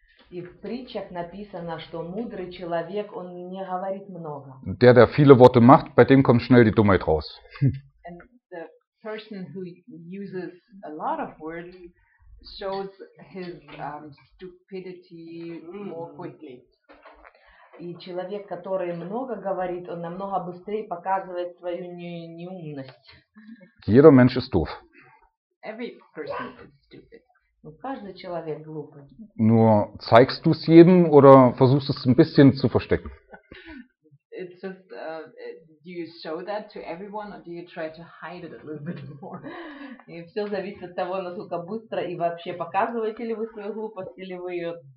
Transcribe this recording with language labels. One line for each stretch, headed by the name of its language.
Russian: И в притчах написано, что мудрый человек, он не говорит много.
German: Der viele Worte macht, bei dem kommt schnell die Dummheit raus.
English: And the person who uses a lot of words shows his stupidity more quickly.
Russian: И человек, который много говорит, он намного быстрее показывает свою неумность.
German: Jeder Mensch ist doof.
English: Every person is stupid.
Russian: Но каждый человек глупый.
German: Nur zeigst du es jedem oder versuchst es ein bisschen zu verstecken?
English: It's just, do you show that to everyone or do you try to hide it a little bit more?
Russian: И все зависит от того, насколько быстро и вообще показываете ли вы свою глупость или вы ее...